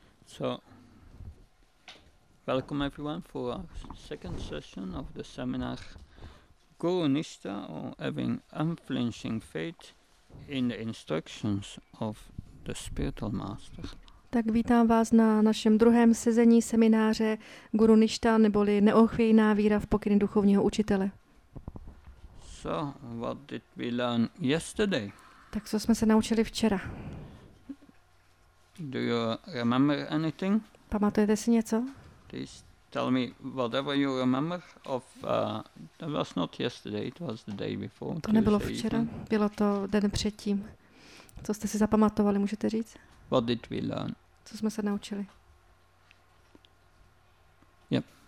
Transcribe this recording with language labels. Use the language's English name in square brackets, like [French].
[English] So, welcome everyone for our second session of the seminar Guru Nishtha, or having unflinching faith in the instructions of the spiritual master. [Czech] Tak vítám vás na našem druhém sezení semináře Guru Nishtha, neboli neochvějná víra v pokyny duchovního učitele. [English] So, what did we learn yesterday? [Czech] Tak co jsme se naučili včera? [English] Do you remember anything? [Czech] Pamatujete si něco? [English] Please tell me whatever you remember of that was not yesterday, it was the day before. [Czech] To nebylo včera, evening. Bylo to den předtím. Co jste si zapamatovali, můžete říct? [English] What did we learn? [Czech] Co jsme se naučili? [English] Yep.